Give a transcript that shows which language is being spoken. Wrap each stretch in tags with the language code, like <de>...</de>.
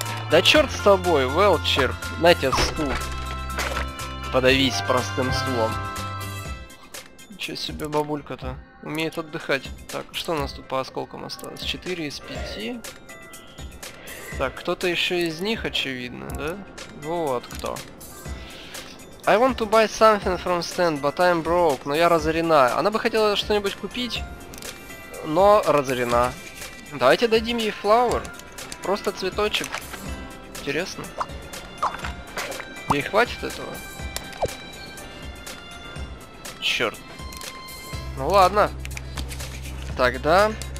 <ru>Да черт с тобой, wheelchair. На тебе стул. Подавись простым стулом. Ничего себе бабулька-то. Умеет отдыхать. Так, что у нас тут по осколкам осталось? 4 из 5. Так, кто-то еще из них, очевидно, да? Вот кто.</ru> <en>I want to buy something from stand, but I'm broke.</en> <ru>Но я разорена. Она бы хотела что-нибудь купить, но разорена. Давайте дадим ей flower. Просто цветочек. Интересно. Ей хватит этого? Черт. Ну ладно. Тогда...</ru>